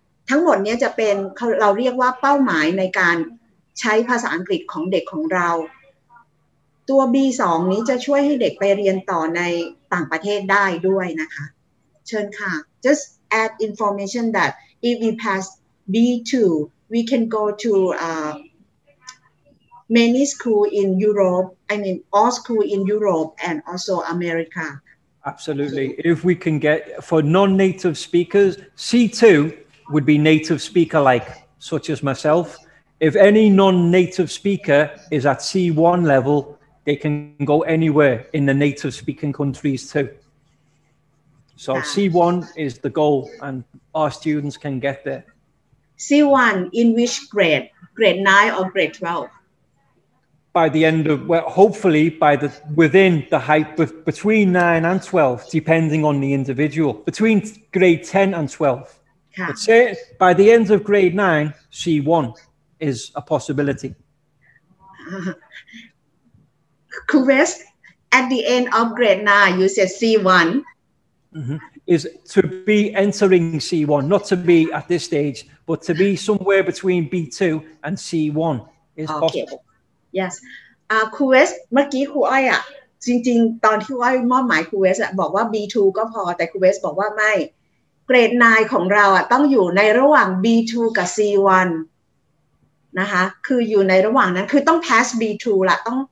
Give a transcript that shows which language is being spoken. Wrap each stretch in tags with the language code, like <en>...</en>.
<th>ทั้งหมดนี้จะเป็นเราเรียกว่าเป้าหมายในการใช้ภาษาอังกฤษของเด็กของเราตัว B2 นี้จะช่วยให้เด็กไปเรียนต่อในต่างประเทศได้ด้วยนะคะเชิญค่ะ</th> <en>Just add information that if we pass B2 we can go to many school in Europe I mean all school in Europe and also America Absolutely if we can get for non-native speakers C2would be native speaker-like, such as myself. If any non-native speaker is at C1 level, they can go anywhere in the native speaking countries too. So C1 is the goal, and our students can get there. C1 in which grade? Grade 9 or grade 12? By the end of, well, hopefully, within the height, between 9 and 12, depending on the individual, between grade 10 and 12. But say, by the end of grade 9, C1 is a possibility. Kuvest, at the end of grade 9, you said C1. Is to be entering C1, not to be at this stage, but to be somewhere between B2 and C1 is okay. possible. Yes.</en> <th>Kuvest, เมื่อกี้ครูอ้อยอ่ะจริงๆตอนที่ว่ามอบหมายครูเวสอ่ะบอกว่า B2 ก็พอแต่ครูเวสบอกว่าไม่เกรด9ของเราอ่ะต้องอยู่ในระหว่าง B2 กับ C1 นะคะคืออยู่ในระหว่างนั้นคือต้อง pass B2 ละต้อง</th>